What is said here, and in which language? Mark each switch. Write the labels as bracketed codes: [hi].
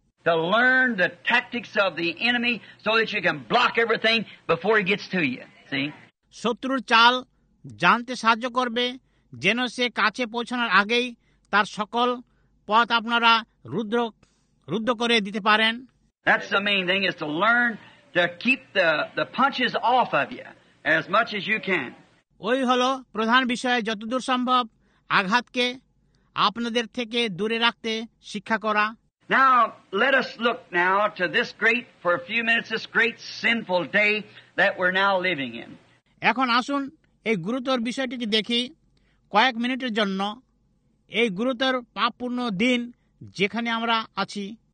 [en] to learn the tactics of the enemy so that you can block everything before he gets to you. See? [bn] শত্রুর চাল জানতে সাহায্য করবে যেন সে কাছে পৌঁছানোর আগেই তার সকল পথ আপনারা রুদ্ধ করে দিতে পারেন। [en] That's the main thing, is to learn to keep the punches off of you as much as you can. [bn] ওই হলো প্রধান বিষয়, যতদূর সম্ভব আঘাতকে আপনাদের থেকে দূরে রাখতে শিক্ষা করা। [en] Now let us look now to this great, for a few minutes, this great sinful day that we're now living in. [bn] এখন আসুন এই গুরুতর বিষয়টিকে দেখি কয়েক মিনিটের জন্য, এই গুরুতর পাপপূর্ণ দিন যেখানে আমরা আছি।